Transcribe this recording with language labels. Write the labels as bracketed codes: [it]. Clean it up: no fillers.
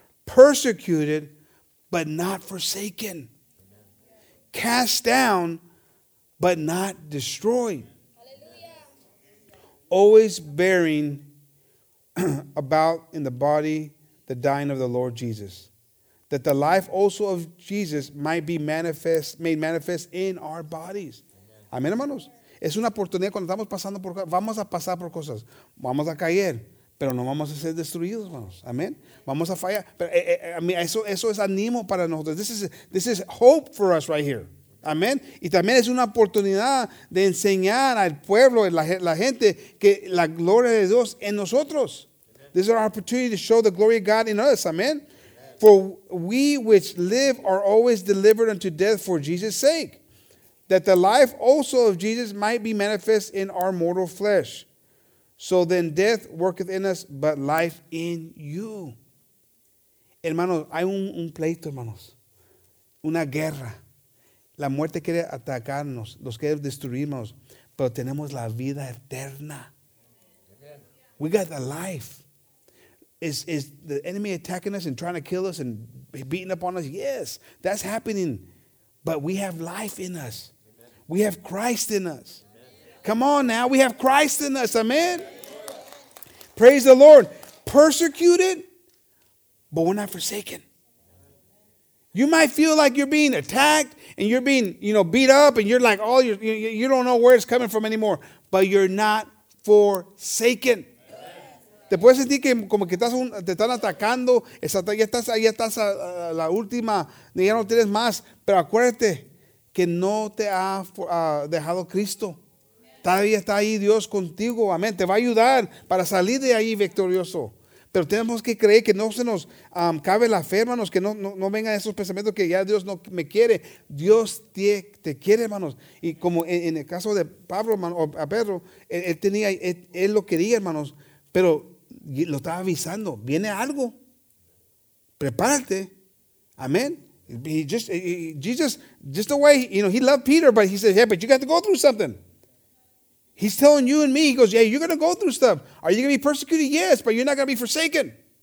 [en] Persecuted, but not forsaken. Amen. Cast down, but not destroyed. Hallelujah. Always bearing about in the body the dying of the Lord Jesus, that the life also of Jesus might be made manifest in our bodies. [es] Amén, hermanos. Es una oportunidad cuando estamos pasando por, vamos a pasar por cosas, vamos a caer, pero no vamos a ser destruidos, hermanos. Amén. Vamos a fallar, pero eso es ánimo para nosotros. [en] This is hope for us right here. [es] Amén. Y también es una oportunidad de enseñar al pueblo, la gente, que la gloria de Dios en nosotros. [en] Amen. This is our opportunity to show the glory of God in us. Amen. Amen. For we which live are always delivered unto death for Jesus' sake, that the life also of Jesus might be manifest in our mortal flesh. So then death worketh in us, but life in you. [es] Hermanos, hay un pleito, hermanos. Una guerra. La muerte quiere atacarnos, los quiere destruirnos, pero tenemos la vida eterna. [en] Amen. We got the life. Is the enemy attacking us and trying to kill us and beating up on us? Yes, that's happening. But we have life in us. Amen. We have Christ in us. Amen. Come on now, we have Christ in us. Amen. Amen. Praise the Lord. Persecuted, but we're not forsaken. You might feel like you're being attacked and you're being, you know, beat up and you're like, oh, you don't know where it's coming from anymore. But you're not forsaken. [es] Te puedes sentir que como que te están atacando, ya estás a la última, ya no tienes más. Pero acuérdate que no te ha dejado Cristo. Todavía está ahí Dios contigo, amén. Te va a ayudar para salir de ahí victorioso. Pero tenemos que creer que no se nos cabe la fe, hermanos, que no vengan esos pensamientos que ya Dios no me quiere. Dios te quiere, hermanos. Y como en el caso de Pablo, hermano, o a Pedro, él lo quería, hermanos, pero lo estaba avisando. Viene algo. Prepárate. Amén. [en] Jesus, the way, you know, he loved Peter, but he said, yeah, but you got to go through something. He's telling you and me, he goes, yeah, you're going to go through stuff. Are you going to be persecuted? Yes, but you're not going to be forsaken.